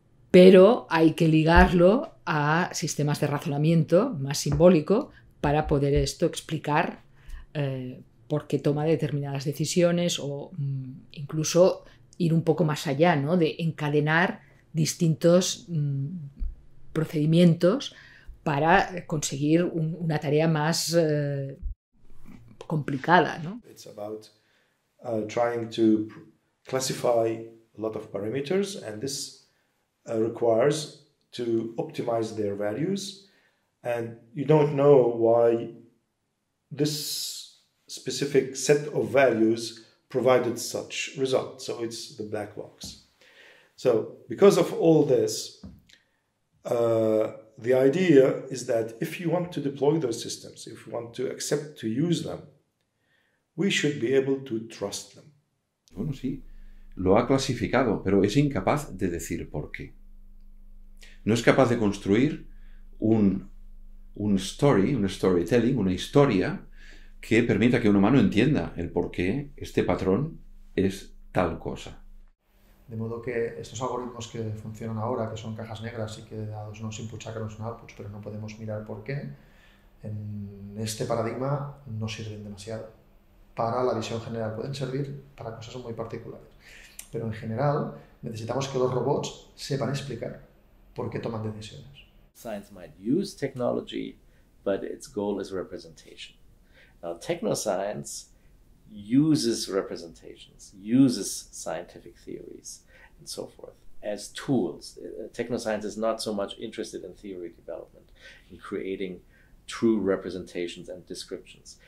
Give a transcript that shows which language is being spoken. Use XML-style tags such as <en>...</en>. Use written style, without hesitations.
<es>Pero hay que ligarlo a sistemas de razonamiento más simbólico para poder esto explicar por qué toma determinadas decisiones o incluso ir un poco más allá, ¿no? De encadenar distintos procedimientos para conseguir una tarea más complicada, ¿no?</es> <en>It's about trying to classify a lot of parameters, and this requires to optimize their values, and you don't know why this specific set of values provided such results. So it's the black box. So because of all this, The idea is that if you want to deploy those systems, if you want to accept to use them, we should be able to trust them.</en> <es>Bueno, sí, lo ha clasificado, pero es incapaz de decir por qué. No es capaz de construir un storytelling, una historia que permita que un humano entienda el por qué este patrón es tal cosa. De modo que estos algoritmos que funcionan ahora, que son cajas negras y que dados unos inputs sacamos un output, pero no podemos mirar por qué, en este paradigma no sirven demasiado. Para la visión general pueden servir para cosas muy particulares. Pero en general necesitamos que los robots sepan explicar por qué toman decisiones.</es> <en>Science might use technology, but its goal is representation. Now, technoscience uses representations, uses scientific theories, and so forth as tools. Technoscience is not so much interested in theory development, in creating true representations and descriptions.</en>